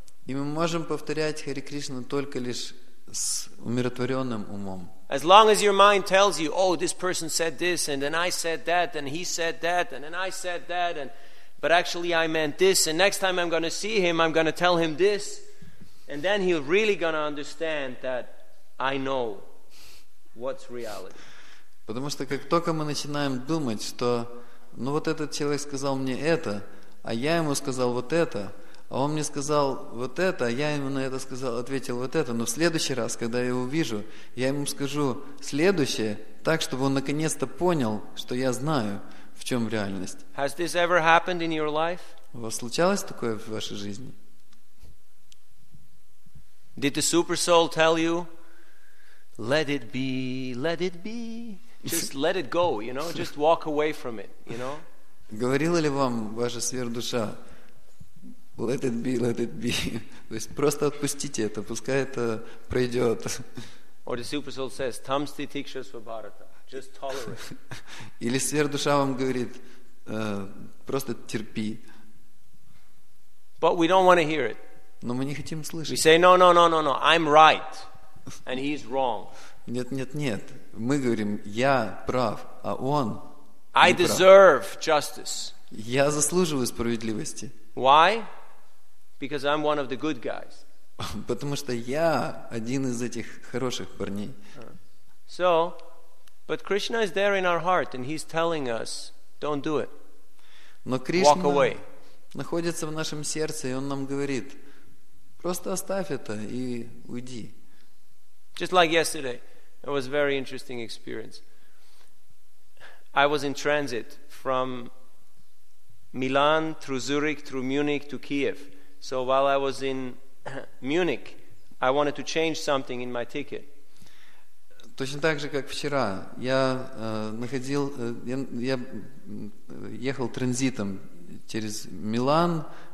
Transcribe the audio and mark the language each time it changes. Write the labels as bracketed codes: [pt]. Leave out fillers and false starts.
[ru] И мы можем повторять Хари Кришну только лишь с умиротворенным умом. [en] As long as your mind tells you, "Oh, this person said this, and then I said that, and he said that, and then I said that, and but actually I meant this, and next time I'm going to see him, I'm going to tell him this, and then he'll really going to understand that I know what's reality." [ru] Потому что как только мы начинаем думать, что, ну вот этот человек сказал мне это, а я ему сказал вот это, а он мне сказал вот это, а я ему на это сказал, ответил вот это. Но в следующий раз, когда я его увижу, я ему скажу следующее, так, чтобы он наконец-то понял, что я знаю, в чем реальность. [en] Has this ever happened in your life? [ru] У вас случалось такое в вашей жизни? [en] Did the super soul tell you, "Let it be, let it be"? Just let it go, you know? Just walk away from it, you know? [ru] Говорила ли вам ваша сверхдуша: [en] Let it be, let it be. [ru] То есть просто отпустите это, пускай это пройдет. [en] Or the Super Soul says, [sa] Tamsti Tikshasvabharata. [en] Just tolerate. [ru] Или сверхдуша вам говорит, просто терпи. [en] But we don't want to hear it. [ru] Но мы не хотим слышать. [en] We say, no, no, no, no, no, I'm right. And he's wrong. [ru] Нет, нет, нет. Мы говорим, я прав, а он [en] I deserve justice. [ru] Я заслуживаю справедливости. [en] Why? Because I'm one of the good guys. [ru] Потому что я один из этих хороших парней. [en] So, but Krishna is there in our heart and he's telling us, don't do it. [ru] Но Кришна находится в нашем сердце, и он нам говорит, просто оставь это и уйди. [en] Just like yesterday, it was a very interesting experience. I was in transit from Milan through Zurich through Munich to Kiev. So while I was in Munich, I wanted to change something in my ticket. [ru] Точно так же, как вчера, я находил, я ехал транзитом через Милан,